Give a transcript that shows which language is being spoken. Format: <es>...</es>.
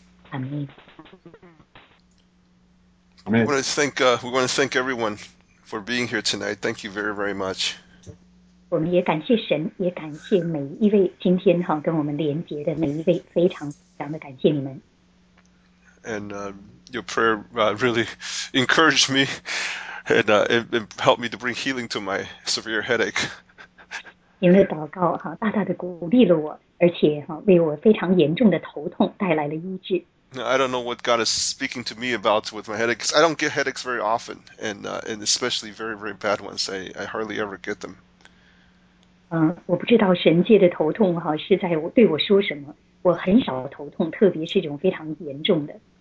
<zh>阿门。</zh> <en>Amen. We want to thank everyone for being here tonight. Thank you very, very much.</en> <zh>我们也感谢神，也感谢每一位今天跟我们连接的每一位，非常非常的感谢你们。</zh> <en>And your prayer really encouraged me, and it helped me to bring healing to my severe headache.</en> <zh>你们的祷告大大的鼓励了我，而且为我非常严重的头痛带来了医治。</zh> <en>I don't know what God is speaking to me about with my headaches. I don't get headaches very often, and especially very, very bad ones. I hardly ever get them.</en> <zh>我不知道神界的头痛是在对我说什么。我很少头痛，特别是这种非常严重的。</zh>